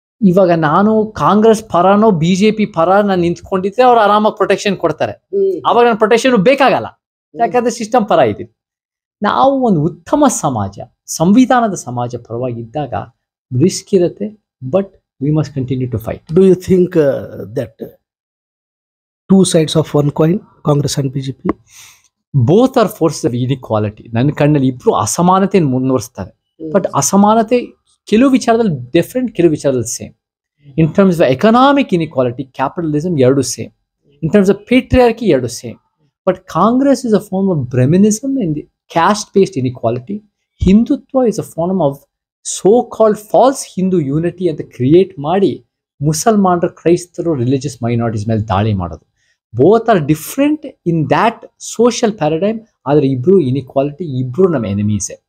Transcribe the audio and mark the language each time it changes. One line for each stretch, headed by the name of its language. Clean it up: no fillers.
Kannada: ಇವಾಗ ನಾನು ಕಾಂಗ್ರೆಸ್ ಪರನೋ BJP ಪರ ನಾನು ನಿಂತ್ಕೊಂಡಿದ್ರೆ ಅವ್ರು ಆರಾಮಾಗಿ ಪ್ರೊಟೆಕ್ಷನ್ ಕೊಡ್ತಾರೆ, ಅವಾಗ ನನ್ನ ಪ್ರೊಟೆಕ್ಷನ್ ಬೇಕಾಗಲ್ಲ, ಯಾಕಂದ್ರೆ ಸಿಸ್ಟಮ್ ಪರ ಇದ್ದೀವಿ. ನಾವು ಒಂದು ಉತ್ತಮ ಸಮಾಜ, ಸಂವಿಧಾನದ ಸಮಾಜ ಪರವಾಗಿ ಇದ್ದಾಗ ರಿಸ್ಕ್ ಇರುತ್ತೆ,
English: But we must continue to fight. Do you think that two sides of one coin, Congress and BJP, both are forces of inequality?
Kannada: ನನ್ನ ಕಣ್ಣಲ್ಲಿ ಇಬ್ಬರು ಅಸಮಾನತೆಯನ್ನು ಮುಂದುವರಿಸ್ತಾರೆ, ಬಟ್ ಅಸಮಾನತೆ ಕೆಲವು ವಿಚಾರದಲ್ಲಿ ಡಿಫ್ರೆಂಟ್, ಕೆಲವು ವಿಚಾರದಲ್ಲಿ same.
English: in terms of economic inequality, capitalism
Kannada: ಎರಡು ಸೇಮ್.
English: In terms of patriarchy ಎರಡು same. But Congress is a form of Brahminism and caste based inequality. Hindutva is a form of so called false Hindu unity
Kannada: ಅಂತ create ಮಾಡಿ ಮುಸಲ್ಮಾನರು, ಕ್ರೈಸ್ತರು, religious minorities ಮೇಲೆ ದಾಳಿ ಮಾಡೋದು.
English: Both are different in that social paradigm.
Kannada: Adare ibru inequality, ibru nam enemies.